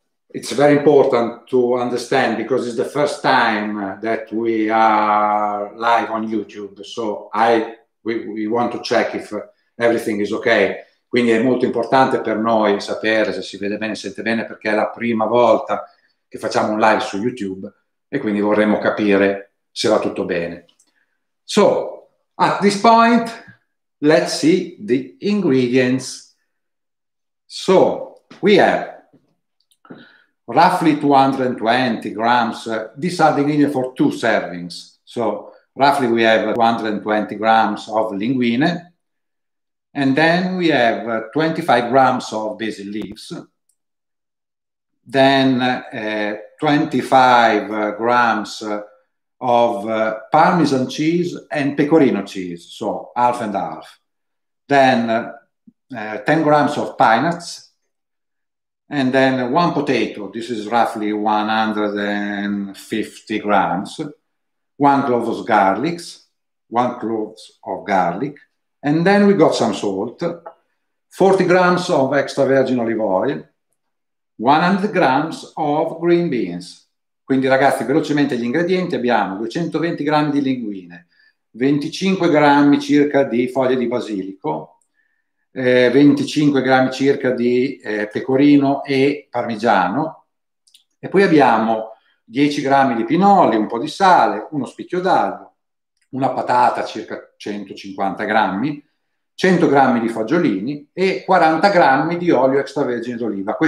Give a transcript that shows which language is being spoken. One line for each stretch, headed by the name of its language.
English: It's very important to understand because it's the first time that we are live on YouTube. So we want to check if everything is okay.
Italian: Quindi è molto importante per noi sapere se si vede bene, sente bene, perché è la prima volta che facciamo un live su YouTube e quindi vorremmo capire se va tutto bene.
English: So at this point, let's see the ingredients. So we have roughly 220 grams. These are the ingredients for 2 servings. So roughly we have 220 grams of linguine. And then we have 25 grams of basil leaves. Then 25 grams of Parmesan cheese and pecorino cheese. So half and half. Then 10 grams of peanuts. And then one potato, this is roughly 150 grams, one clove of garlic, one clove of garlic, and then we got some salt, 40 grams of extra virgin olive oil, 100 grams of green beans.
Italian: Quindi ragazzi, velocemente gli ingredienti, abbiamo 220 grammi di linguine, 25 grammi circa di foglie di basilico, 25 grammi circa di pecorino e parmigiano e poi abbiamo 10 grammi di pinoli, un po' di sale, uno spicchio d'aglio, una patata circa 150 grammi, 100 grammi di fagiolini e 40 grammi di olio extravergine d'oliva.